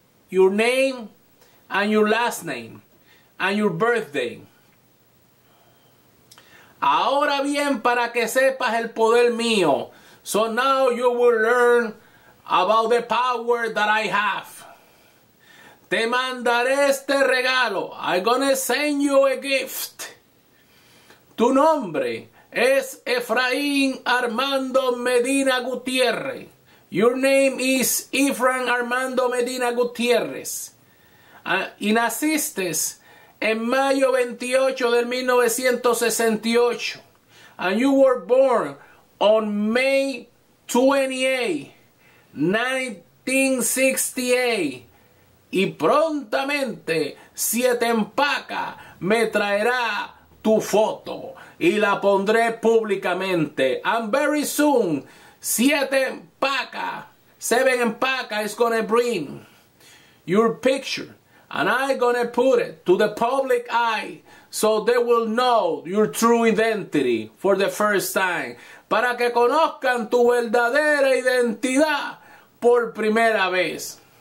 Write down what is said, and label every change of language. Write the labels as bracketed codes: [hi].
[en] Your name and your last name and your birthday. [es] Ahora bien, para que sepas el poder mío. [en] So now you will learn about the power that I have. [es] Te mandaré este regalo. [en] I'm gonna send you a gift. [es] Tu nombre es Efraín Armando Medina Gutiérrez. [en] Your name is Efraín Armando Medina Gutiérrez. [es] Y naciste en mayo 28 del 1968. [en] And you were born on May 28, 1968. [es] Y prontamente, Siete Empaca me traerá tu foto. Y la pondré públicamente. [en] And very soon, Siete Empaca, Seven Empaca is gonna bring your picture and I'm gonna put it to the public eye so they will know your true identity for the first time. [es] Para que conozcan tu verdadera identidad por primera vez.